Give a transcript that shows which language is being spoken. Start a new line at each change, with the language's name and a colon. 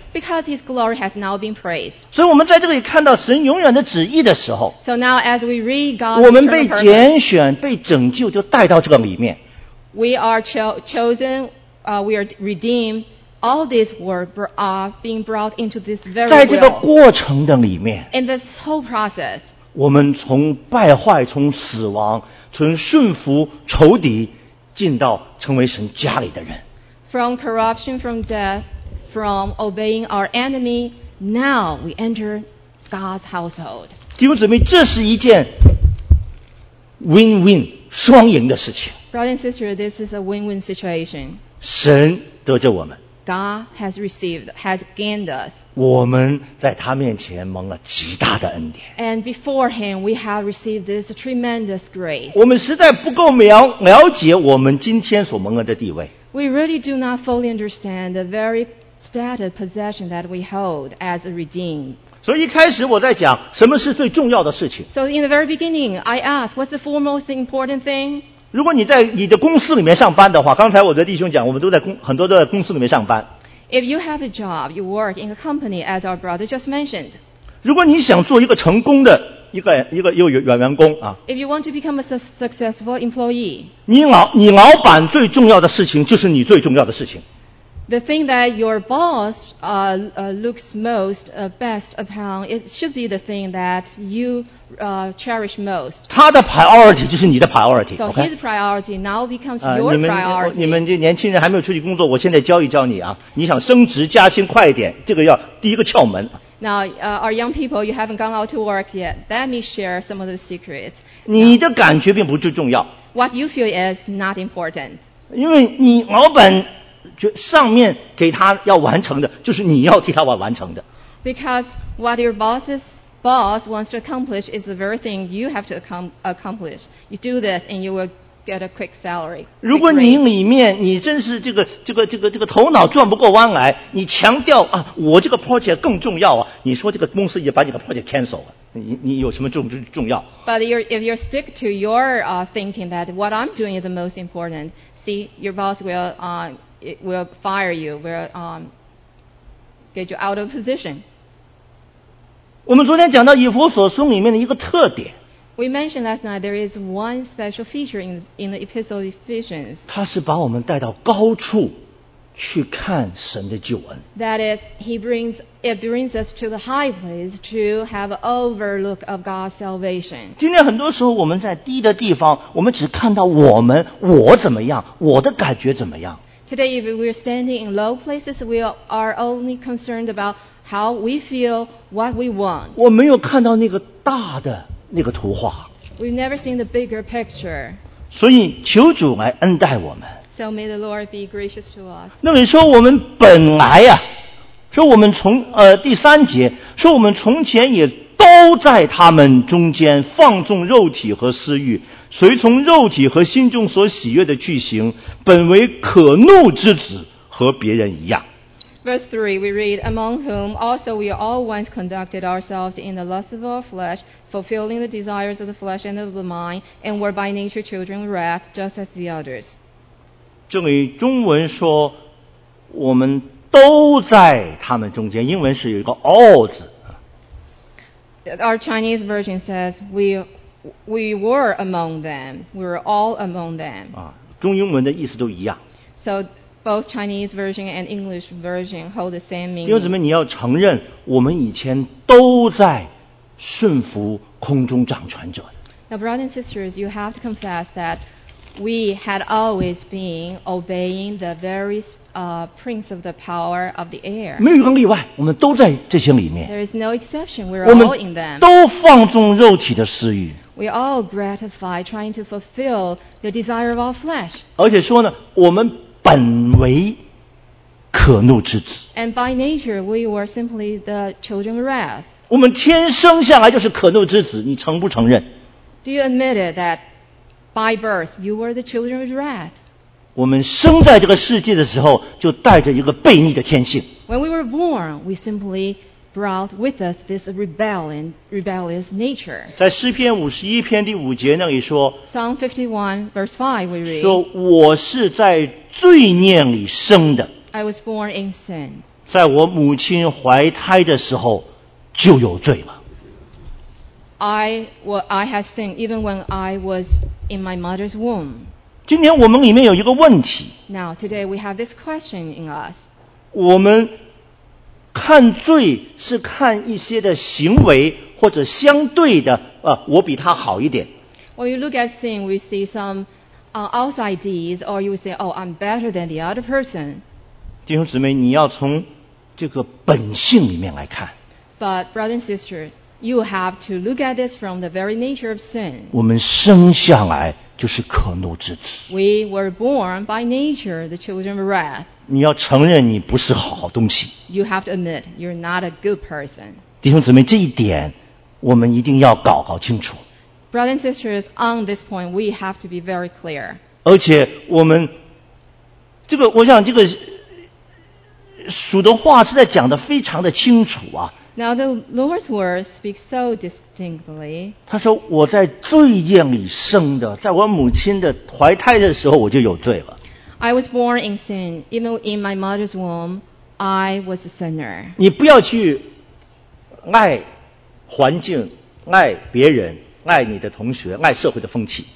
English: Because his glory has now been praised.
Chinese: 所以我们在这里看到神永远的旨意的时候
English: ，So now as we read God's purpose,
Chinese: 我们被拣选、被拯救，就带到这个里面。
English: We are chosen, we are redeemed. All these were being brought into this very world.
Chinese: 在这个过程的里面
English: ，in this whole process，
Chinese: 我们从败坏、从死亡、从顺服仇敌，进到成为神家里的人。
English: From corruption, from death, from obeying our enemy, now we enter God's household.
Chinese: 弟兄姊妹，这是一件 win-win 双赢的事情。
English: Brother and sister, this is a win-win situation.
Chinese: 神得着我们。
English: God has received, has gained us.
Chinese: 我们在他面前蒙了极大的恩典。
English: And before him, we have received this tremendous grace.
Chinese: 我们实在不够了解我们今天所蒙恩的地位。
English: We really do not fully understand the very status possession that we hold as a redeemed.
Chinese: 所以一开始我在讲什么是最重要的事情。
English: So in the very beginning, I asked, what's the foremost important thing?
Chinese: 如果你在你的公司里面上班的话，刚才我的弟兄讲，我们都在很多都在公司里面上班。
English: If you have a job, you work in a company, as our brother just mentioned.
Chinese: 如果你想做一个成功的一个员工啊。
English: If you want to become a successful employee.
Chinese: 你老板最重要的事情就是你最重要的事情。
English: The thing that your boss looks most best upon, it should be the thing that you cherish most.
Chinese: 他的 priority 就是你的 priority.
English: So、 okay? his priority now becomes your priority.
Chinese: 你们这年轻人还没有出去工作，我现在教一教你啊。你想升职加薪快一点，这个要第一个窍门。
English: Now, our young people, you haven't gone out to work yet. Let me share some of the secrets.
Chinese: 你的感觉并不是重要。
English: What you feel is not important.
Chinese: 因为你老板。就上面给他要完成的就是你要替他完成的
English: because what your boss wants to accomplish is the very thing you have to accomplish you do this and you will get a quick salary
Chinese: 如果你里面你真是这个头脑转不过弯来你强调啊，我这个 project 更重要啊，你说这个公司已经把你的 project cancel 了你有什么重要
English: but if you stick to your thinking that what I'm doing is the most important see your boss willIt will fire you, will get you out of position.
Chinese: 我们昨天讲到以弗所书里面的一个特点。
English: We mentioned last night there is one special feature in the Epistle of Ephesians.
Chinese: 他是把我们带到高处去看神的救恩。
English: That is, it brings us to the high place to have an overlook of God's salvation.
Chinese: 今天很多时候我们在低的地方，我们只看到我们，我怎么样，我的感觉怎么样。
English: Today, if we're standing in low places, we are only concerned about how we feel, what we want.
Chinese: 我没有看到那个大的那个图画。
English: We've never seen the bigger picture.
Chinese: 所以求主来恩待我们。
English: So may the Lord be gracious to us.
Chinese: 那你说我们本来啊，说我们从第三节，说我们从前也都在他们中间放纵肉体和私欲，随从肉体和心中所喜悦的去行，本为可怒之子，和别人一样。
English: Verse 3, we read, among whom also we all once conducted ourselves in the lust of our flesh, fulfilling the desires of the flesh and of the mind, and were by nature children of wrath, just as the others.
Chinese: 这里中文说我们都在他们中间，英文是有一个 all 字。
English: Our Chinese version says we were among them. We were all among them.
Chinese: 中英文的意思都一样。
English: So both Chinese version and English version hold the same meaning.
Chinese: 弟兄姊妹，你要承认我们以前都在顺服空中掌权者的。
English: Now brothers and sisters, you have to confess that we had always been obeying the very prince of the power of the air.
Chinese: 没有一个例外，我们都在这些里面。
English: There is no exception. We're all in them.
Chinese: 都放纵肉体的私欲。
English: We all gratify trying to fulfill the desire of our flesh.
Chinese: 而且说呢，我们本为可怒之子。
English: And by nature, we were simply the children of wrath.
Chinese: 我们天生下来就是可怒之子，你承不承认？
English: Do you admit it that by birth, you were the children of wrath?
Chinese: 我们生在这个世界的时候，就带着一个悖逆的天性。
English: When we were born, we simply brought with us this rebellious nature.
Chinese: 在诗篇五十一篇第五节那里说，
English: Psalm 51 verse 5 we read,
Chinese: 说我是在罪孽里生的。
English: I was born in sin.
Chinese: 在我母亲怀胎的时候就有罪了。
English: I had sinned even when I was in my mother's womb.
Chinese: 今天我们里面有一个问题。
English: Now, today we have this question in us.
Chinese: 我们看罪是看一些的行为或者相对的我比他好一点。
English: When you look at sin, we see some outside deeds, or you say, oh, I'm better than the other person.
Chinese: 弟兄姊妹，你要从这个本性里面来看。
English: But brothers and sisters,you have to look at this from the very nature of sin.
Chinese: 我们生下来就是可怒之子。
English: We were born by nature the children of wrath.
Chinese: 你要承认你不是好东西。
English: You have to admit you're not a good person.
Chinese: 弟兄姊妹，这一点我们一定要搞清楚。
English: Brothers and sisters, on this point, we have to be very clear.
Chinese: 而且我们这个，我想这个属的话是在讲得非常的清楚啊。
English: Now the Lord's word speaks so distinctly.
Chinese: 他说我在罪孽里生的，在我母亲的怀胎的时候我就有罪了。
English: I was born in sin. Even in my mother's womb, I was a sinner.
Chinese: 你不要去爱环境，爱别人，爱你的同学，爱社会的风气。